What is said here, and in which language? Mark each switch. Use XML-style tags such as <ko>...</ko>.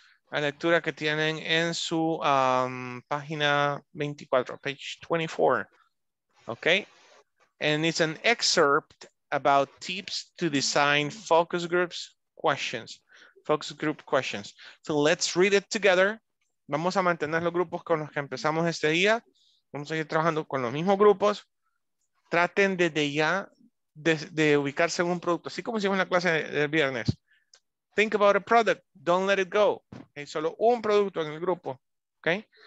<es>La lectura que tienen en su página 24,</es> <en>page 24. Okay. And it's an excerpt about tips to design focus groups questions. Focus group questions. So let's read it together.</en> <es>Vamos a mantener los grupos con los que empezamos este día. Vamos a ir trabajando con los mismos grupos. Traten desde ya de ubicarse en un producto. Así como hicimos en la clase del viernes.</es> <en>Think about a product. Don't let it go. Okay,</en> <es>solo un producto en el grupo.</es> <en>Okay?</en>